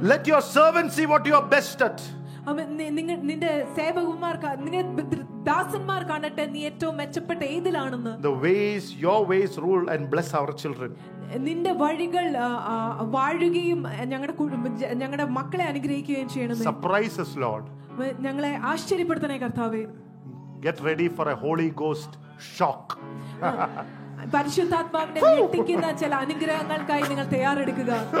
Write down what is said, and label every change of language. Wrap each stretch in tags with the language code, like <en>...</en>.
<en>Let your servant see what you are best at.</en> <ml>നിന്റെ സേവകന്മാർക്ക് ദാസന്മാർ കാണട്ടെ നീ ഏറ്റവും മെച്ചപ്പെട്ട ഏതിലാണെന്ന്.</ml> <en>The ways, your ways rule and bless our children.</en> <ml>നിന്റെ വഴികൾ വാഴുകയും ഞങ്ങളുടെ മക്കളെ അനുഗ്രഹിക്കുകയും ചെയ്യണം.</ml> <en>Surprise us, Lord.</en> <ml>ഞങ്ങളെ ആശ്ചര്യപ്പെടുത്തണേ കർത്താവേ.</ml> <en>Get ready for a Holy Ghost shock.</en> <ml>പരിശുദ്ധാത്മാവിനെ ഞെട്ടിക്കുന്ന ചില അനുഗ്രഹങ്ങൾക്കായി നിങ്ങൾ തയ്യാറെടുക്കുക.</ml>